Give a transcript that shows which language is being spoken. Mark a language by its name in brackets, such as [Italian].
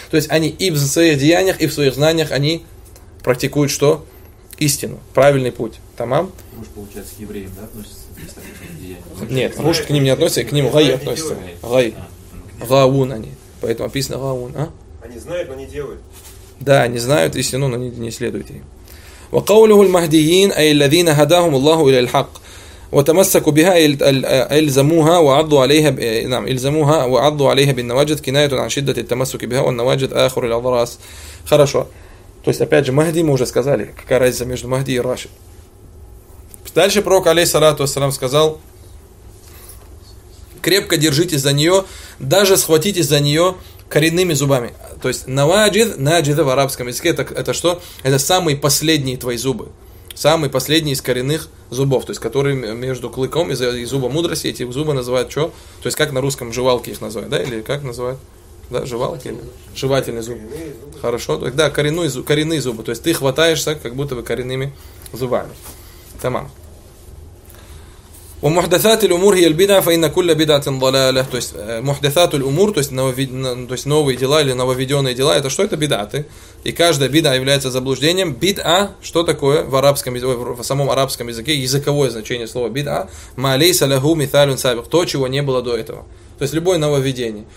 [Russian] То есть они и в своих деяниях, и в своих знаниях они практикуют что? Истину, правильный путь. Тамам? Рушд, получается, к евреям, да, относится? Нет, рушд к ним не относится, к ним гай относится. Гай. Гаун они. Поэтому описано гаун. А? Они знают, но не делают. Да, они знают истину, но не следуют ей. [Arabic] وقوله المهديين أي الذين هداهم الله إلى الحق وتمسكوا بها إلزموها وعضوا عليها نعم إلزموها وعضوا عليها بالنواجذ كناية عن شدة التمسك بها والنواجذ آخر الأضراس. [Russian] Хорошо. То есть опять же Махди, мы уже сказали, какая разница между Махди и Рашид. Дальше пророк алейхиссалату вассалям сказал: крепко держитесь за нее, даже схватитесь за нее коренными зубами. То есть наваджид, наджида в арабском языке, это что? Это самые последние твои зубы. Самые последние из коренных зубов. То есть, которые между клыком и зубом мудрости, эти зубы называют что? То есть, как на русском жевалки их называют, да? Или как называют? Да, жевалки? Жевательные зубы. Хорошо. Да, коренные зубы. То есть, ты хватаешься как будто бы коренными зубами. Тамам. [Arabic] ومحدثات الأمور هي البدع فإن كل بدعة ضلالة. [Russian] То есть [Arabic] محدثات الأمور, [Russian] то есть новые дела или нововведенные дела, это что? Это бидаты. И каждая бида является заблуждением. Бид'а, что такое в арабском, в самом арабском языке, языковое значение слова бид'а? [Arabic] Ма лейса лаху мисалюн сабик, [Russian] то, чего не было до этого. То есть любое нововведение.